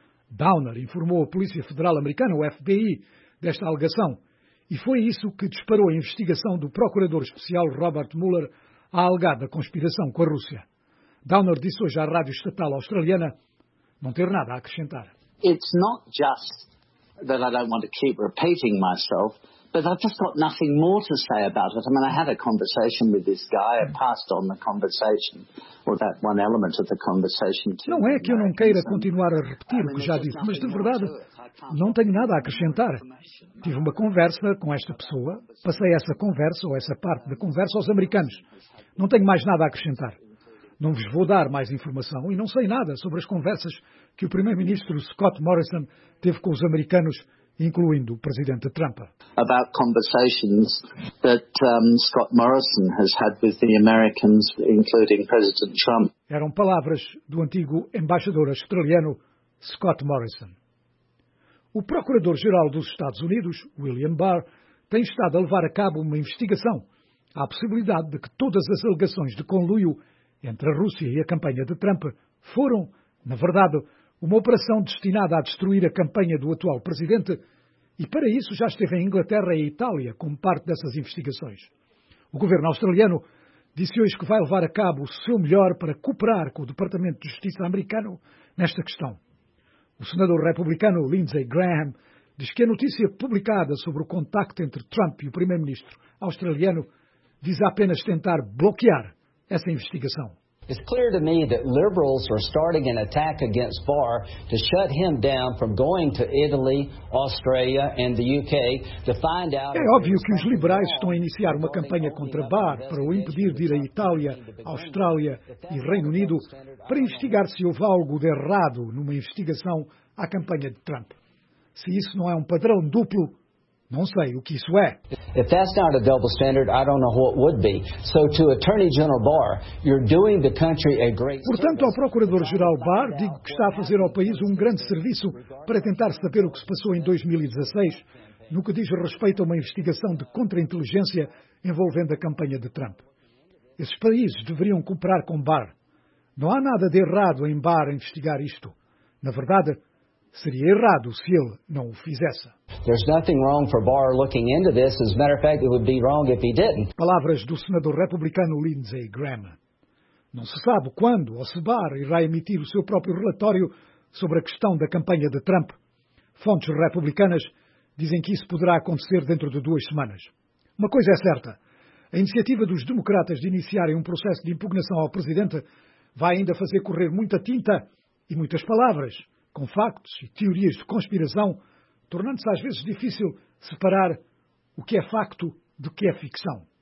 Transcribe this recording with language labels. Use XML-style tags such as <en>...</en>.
<pt>Downer informou a Polícia Federal Americana, o FBI, desta alegação, e foi isso que disparou a investigação do procurador especial Robert Mueller à alegada conspiração com a Rússia. Downer disse hoje à rádio estatal australiana não ter nada a acrescentar.</pt> <en>It's not just that I don't want to keep repeating myself, but I've just got nothing more to say about it. I mean, I had a conversation with this guy, I passed on the conversation, or that one element of the conversation.</en> <pt>Não é que eu não queira continuar a repetir o que já disse, mas de verdade, não tenho nada a acrescentar. Tive uma conversa com esta pessoa, passei essa conversa, ou essa parte da conversa, aos americanos. Não tenho mais nada a acrescentar. Não vos vou dar mais informação e não sei nada sobre as conversas que o primeiro-ministro Scott Morrison teve com os americanos, incluindo o presidente Trump.</pt> <en>About conversations that Scott Morrison has had with the Americans, including President Trump.</en> <pt>Eram palavras do antigo embaixador australiano Scott Morrison. O procurador-geral dos Estados Unidos, William Barr, tem estado a levar a cabo uma investigação à possibilidade de que todas as alegações de conluio entre a Rússia e a campanha de Trump foram, na verdade, uma operação destinada a destruir a campanha do atual presidente, e para isso já esteve em Inglaterra e Itália como parte dessas investigações. O governo australiano disse hoje que vai levar a cabo o seu melhor para cooperar com o Departamento de Justiça americano nesta questão. O senador republicano Lindsey Graham diz que a notícia publicada sobre o contacto entre Trump e o primeiro-ministro australiano diz apenas tentar bloquear essa investigação.</pt> <en>It's clear to me that liberals are starting an attack against Barr to shut him down from going to Italy, Australia and the UK to find out.</en> <pt>É óbvio que os liberais estão a iniciar uma campanha contra Barr para o impedir de ir à Itália, Austrália e Reino Unido para investigar se houve algo de errado numa investigação à campanha de Trump. Se isso não é um padrão duplo, não sei o que isso é.</pt> <en>If that's not a double standard, I don't know what would be. So to Attorney General Barr, you're doing the country a great.</en> <pt>Portanto, ao Procurador-Geral Barr, digo que está a fazer ao país um grande serviço para tentar saber o que se passou em 2016 no que diz respeito a uma investigação de contra-inteligência envolvendo a campanha de Trump. Esses países deveriam cooperar com Barr. Não há nada de errado em Barr investigar isto. Na verdade, seria errado se ele não o fizesse.</pt> <en>There's nothing wrong for Barr looking into this. As a matter of fact, it would be wrong if he didn't.</en> <pt>Palavras do senador republicano Lindsey Graham. Não se sabe quando ou se Barr irá emitir o seu próprio relatório sobre a questão da campanha de Trump. Fontes republicanas dizem que isso poderá acontecer dentro de duas semanas. Uma coisa é certa. A iniciativa dos democratas de iniciarem um processo de impugnação ao presidente vai ainda fazer correr muita tinta e muitas palavras com factos e teorias de conspiração, tornando-se às vezes difícil separar o que é facto do que é ficção.</pt>